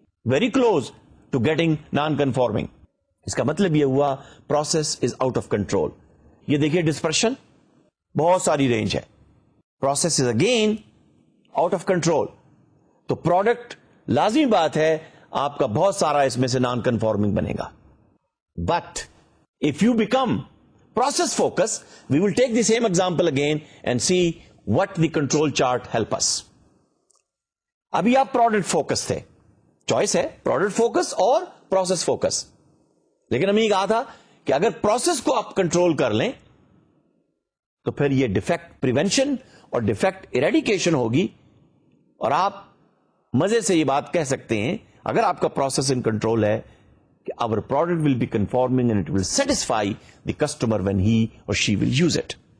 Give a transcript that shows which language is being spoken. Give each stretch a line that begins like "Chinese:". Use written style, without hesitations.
English: Very close to getting non conforming.
Urdu: اس کا مطلب یہ ہوا
English: Process is out of control.
Urdu: یہ دیکھیے ڈسپرشن بہت ساری رینج ہے,
English: Process is again out of control.
Urdu: تو پروڈکٹ لازمی بات ہے آپ کا بہت سارا اس میں سے نان کنفارمنگ بنے گا.
English: But if you become process focus, we will take the same example again and see what the control chart help us.
Urdu: ابھی آپ پروڈکٹ فوکس تھے, چوائس ہے پروڈکٹ فوکس اور پروسیس فوکس. لیکن ہم یہ کہا تھا کہ اگر پروسیس کو آپ کنٹرول کر لیں تو پھر یہ ڈیفیکٹ پریونشن اور ڈیفیکٹ ایریڈیکیشن ہوگی. اور آپ مزے سے یہ بات کہہ سکتے ہیں اگر آپ کا پروسیس ان کنٹرول ہے کہ
English: اور product will be conforming and it will satisfy the customer when he or she will use it.